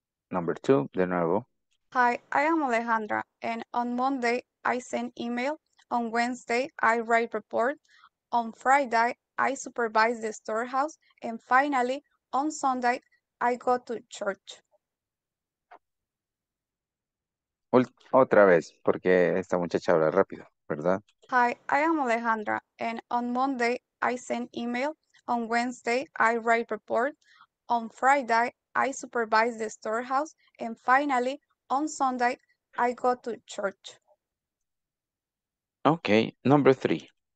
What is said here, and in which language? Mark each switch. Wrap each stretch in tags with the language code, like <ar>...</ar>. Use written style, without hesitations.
<en>Number two,</en> <es>de nuevo.</es> <en>Hi, I am Alejandra, and on Monday, I send email. On Wednesday, I write report. On Friday, I supervise the storehouse. And finally, on Sunday, I go to church.</en> <es>Otra vez, porque esta muchacha habla rápido, ¿verdad?</es> <en>Hi, I am Alejandra, and on Monday, I send email. On Wednesday, I write report. On Friday, I supervise the storehouse. And finally, on Sunday, I go to church. Okay, number three.</en>